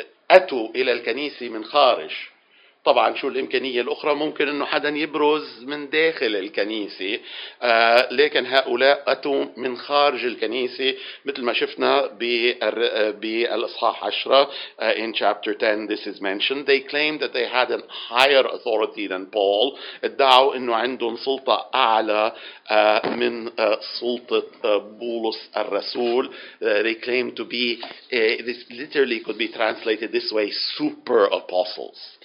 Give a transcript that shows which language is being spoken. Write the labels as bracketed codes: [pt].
[ar] أتوا إلى الكنيسة من خارج. طبعا شو الإمكانية الأخرى؟ ممكن أنه حدا يبرز من داخل الكنيسة. لكن هؤلاء أتوا من خارج الكنيسة مثل ما شفنا بالإصحاح 10. [en] In chapter 10 this is mentioned. They claimed that they had a higher authority than Paul. [ar] ادعوا أنه عندهم سلطة أعلى من سلطة بولس الرسول. [en] They claimed to be, this literally could be translated this way, super apostles.